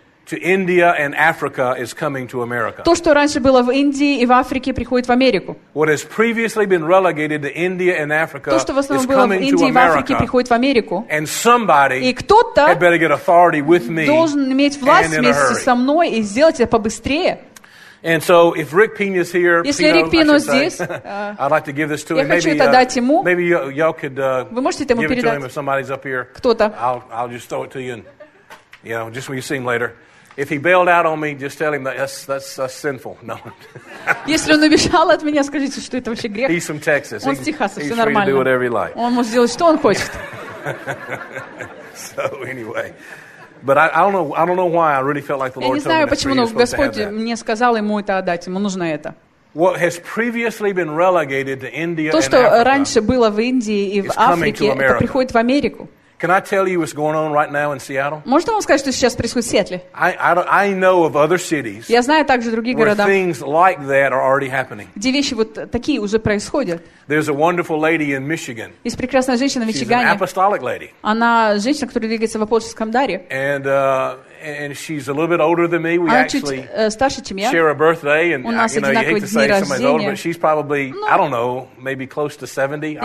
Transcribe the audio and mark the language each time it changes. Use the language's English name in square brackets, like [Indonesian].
[English] to India and Africa is coming to America. [Russian] То, что раньше было в Индии и в Африке, приходит в Америку. [English] What has previously been relegated to India and Africa is coming to America. [Russian] То, что в основном было в Индии и в Африке, приходит в Америку. [English] And somebody had better get authority with me. [Russian] Должен иметь власть вместе со мной и сделать это побыстрее. [English] And so, if Rick Pena's here, [Russian] если Рик Пино здесь, [English] I'd like to give this to [Russian] him. Хочу это дать ему. [English] Maybe y'all could give it to him if somebody's up here. [Russian] Кто-то. [English] I'll just throw it to you, and, you know, just when you see him later. If he bailed out on me, just tell him that's sinful. No. [Russian] Если он убежал от меня, скажите, что это вообще грех. [English] He's from Texas. [Russian] Он с Техаса, все нормально. [English] He's free to do whatever he likes. [Russian] Он может сделать, что он хочет. [English] So anyway. But I don't know why I really felt like the Lord told me. [Russian] Я не знаю, почему, но Господь мне сказал ему это отдать, ему нужно это. [English] What has previously been relegated to India and [Russian] То, что раньше было в Индии и в Африке, это приходит в Америку. [English] Can I tell you what's going on right now in Seattle? [Russian] Можно вам сказать, что сейчас происходит в Сиэтле? [English] I know of other cities. [Russian] Я знаю также другие города. [English] Where things like that are already happening. [Russian] Где вещи вот такие уже происходят. [English] There's a wonderful лady in Michigan. [Russian] Есть прекрасная женщина в Мичигане. [English] She's an apostolic lady. [Russian] Она женщина, которая двигается в апостольском даре. [English] And she's a little bit older than me. We actually [Russian] старше, чем я. [English] Share a birthday, and [Russian] у нас, [English] you know, [Russian] одинаковые [English] you hate to say [Russian] рождения. [English] Somebody's older, but she's probably, I don't know, maybe close to 70.